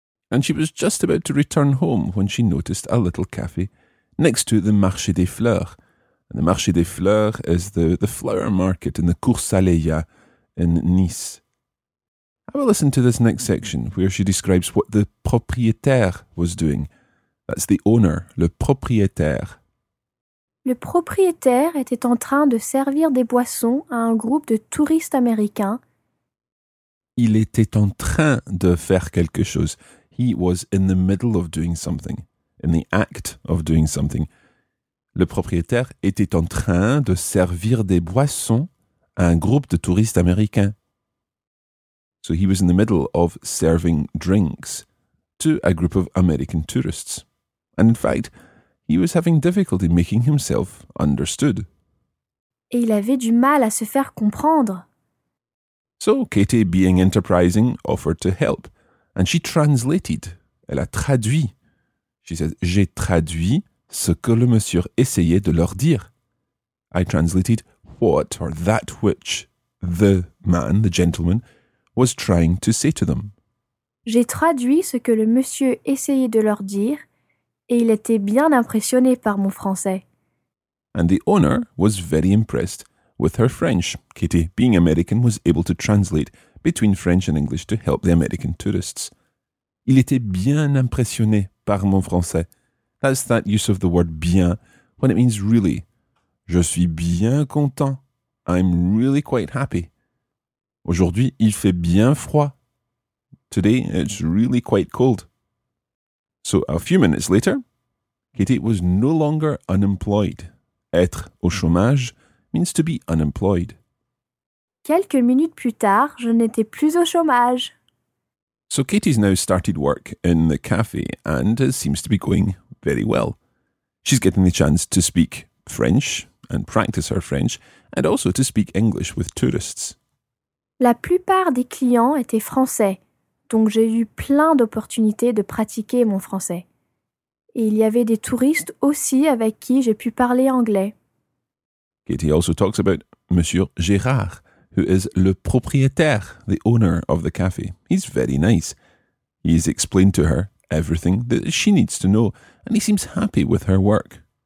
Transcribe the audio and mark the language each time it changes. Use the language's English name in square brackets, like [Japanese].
[English] And she was just about to return home when she noticed a little cafe next to the Marché des Fleurs. And the Marché des Fleurs is the flower market in the Cours Alléa in Nice. Have a listen to this next section where she describes what the propriétaire was doing. That's the owner, le propriétaire. [French] Le propriétaire était en train de servir des boissons à un groupe de touristes américains. Il était en train de faire quelque chose. [English] He was in the middle of doing something. In the act of doing something. [French] Le propriétaire était en train de servir des boissons à un groupe de touristes américains. [English] So he was in the middle of serving drinks to a group of American tourists. And in fact, he was having difficulty making himself understood. [French] Et il avait du mal à se faire comprendre. [English] So Katie, being enterprising, offered to help. And she translated. [French] Elle a traduit. [English] She said, [French] j'ai traduit ce que le monsieur essayait de leur dire. [English] I translated what or that which the man, the gentleman, was trying to say to them. [French] J'ai traduit ce que le monsieur essayait de leur dire et il était bien impressionné par mon français. [English] And the owner was very impressed with her French. Kitty, being American, was able to translate between French and English to help the American tourists. [French] Il était bien impressionné par mon français. [English] That's that use of the word bien when it means really. [French] Je suis bien content. [English] I'm really quite happy. [French] Aujourd'hui, il fait bien froid. [English] Today, it's really quite cold. So, a few minutes later, Kitty was no longer unemployed. [French] Être au chômage [English] means to be unemployed. [French] Quelques minutes plus tard, je n'étais plus au chômage. [English] So Katie's now started work in the cafe and it seems to be going very well. She's getting the chance to speak French and practice her French and also to speak English with tourists. [French] La plupart des clients étaient français, donc j'ai eu plein d'opportunités de pratiquer mon français. Et il y avait des touristes aussi avec qui j'ai pu parler anglais. [English] Katie also talks about Monsieur Gérard, who is le propriétaire, the owner of the café. He's very nice. He's explained to her everything that she needs to know, and he seems happy with her work.